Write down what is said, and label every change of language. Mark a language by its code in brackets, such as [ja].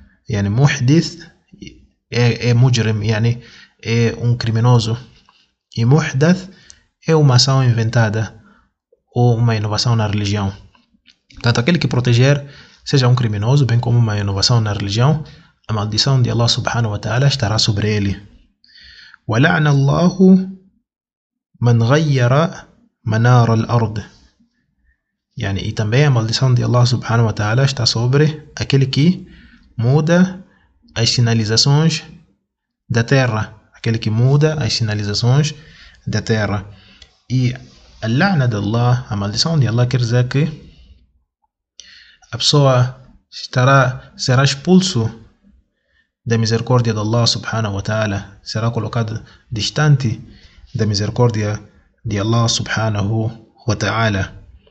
[pt] Yani, muhdith é mujrim, yani, é um criminoso. E muhdath é uma ação inventada ou uma inovação na religião. Portanto, aquele que proteger, seja um criminoso, bem como uma inovação na religião, a maldição de Allah subhanahu wa ta'ala estará sobre ele. [ar] ولعن الله من غير منار الأرض. [pt] يعني e também a maldição de Allah subhanahu wa ta'ala está sobre aquele que muda as sinalizações da terra. Aquele que muda as sinalizações da terra. E a la'na de Allah, a maldição de Allah, quer dizer que a pessoa será expulso da misericórdia de Allah subhanahu wa ta'ala, será colocado distante da misericórdia de Allah subhanahu wa ta'ala.